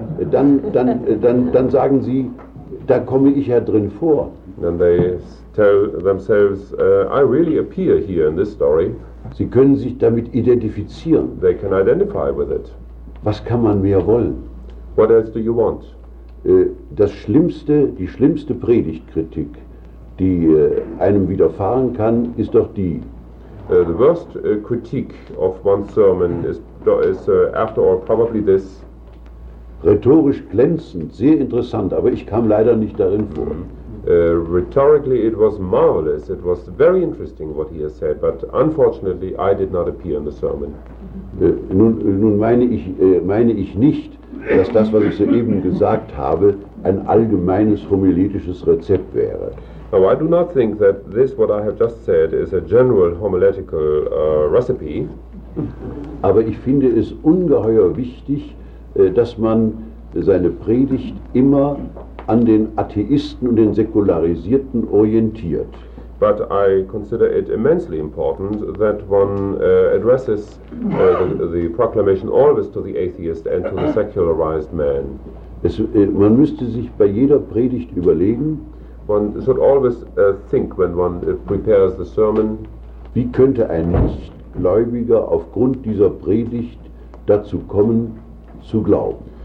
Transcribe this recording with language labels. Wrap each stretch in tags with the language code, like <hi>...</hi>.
<de>Dann sagen sie, da komme ich ja drin vor.</de> <en>And they tell themselves, I really appear here in this story.</en> <de>Sie können sich damit identifizieren.</de> <en>They can identify with it.</en> <de>Was kann man mehr wollen?</de> <en>What else do you want?</en> <de>Die schlimmste Predigtkritik, die einem widerfahren kann, ist doch die.</de> <en>The worst critique of one's sermon is after all probably this.</en> <de>Rhetorisch glänzend, sehr interessant, aber ich kam leider nicht darin vor.</de> <en>Rhetorically it was marvelous, it was very interesting what he has said, but unfortunately I did not appear in the sermon.</en> <de>Nun meine ich nicht, dass das, was ich soeben gesagt habe, ein allgemeines homiletisches Rezept wäre.</de> <en>Now I do not think that this, what I have just said, is a general homiletical recipe.</en> <de>Aber ich finde es ungeheuer wichtig, dass man seine Predigt immer an den Atheisten und den Säkularisierten orientiert.</de> <en>but I consider it immensely important that one addresses the proclamation always to the atheist and to the secularized man.</en> <de>Man müsste sich bei jeder Predigt überlegen,</de> <en>one should always think when one prepares the sermon,</en> <de>wie könnte ein Nichtgläubiger aufgrund dieser Predigt dazu kommen zu glauben.</de>